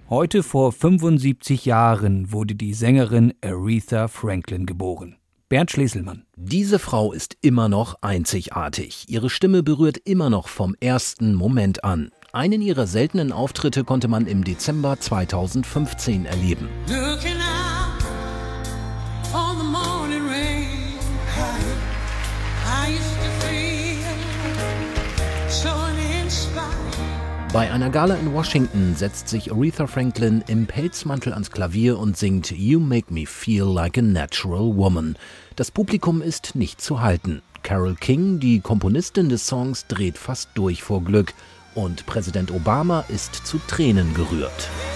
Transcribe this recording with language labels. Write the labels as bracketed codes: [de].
[de] Heute vor 75 Jahren wurde die Sängerin Aretha Franklin geboren. Bernd Schleselmann. Diese Frau ist immer noch einzigartig. Ihre Stimme berührt immer noch vom ersten Moment an. Einen ihrer seltenen Auftritte konnte man im Dezember 2015 erleben. [en] Looking out on the morning rain, I used to feel so uninspired. [de] Bei einer Gala in Washington setzt sich Aretha Franklin im Pelzmantel ans Klavier und singt »You make me feel like a natural woman«. Das Publikum ist nicht zu halten. Carole King, die Komponistin des Songs, dreht fast durch vor Glück. Und Präsident Obama ist zu Tränen gerührt.